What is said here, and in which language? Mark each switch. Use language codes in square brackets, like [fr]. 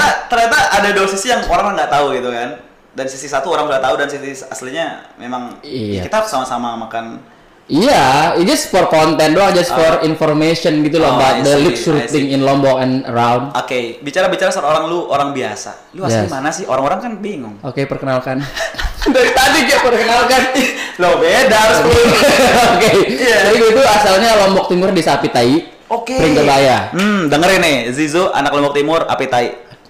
[id] Ternyata ada dua sisi yang orang nggak tahu gitu kan. Dan sisi satu orang udah tahu dan sisi aslinya memang kita sama-sama makan. [en] Iya, it's just for content [id] doang, [en] just for information [id] gitu loh, [en] about the luxury thing in Lombok and around. Oke, okay. [id] Bicara-bicara soal orang lu, orang biasa. Lu asli mana sih? Orang-orang kan bingung. Oke, okay, perkenalkan. Dari tadi gue perkenalkan. Lo beda, harus gue. Oke, jadi gue itu asalnya Lombok Timur di Apitai, okay. Pringgalaya. Dengerin nih, Zizo anak Lombok Timur, Apitai.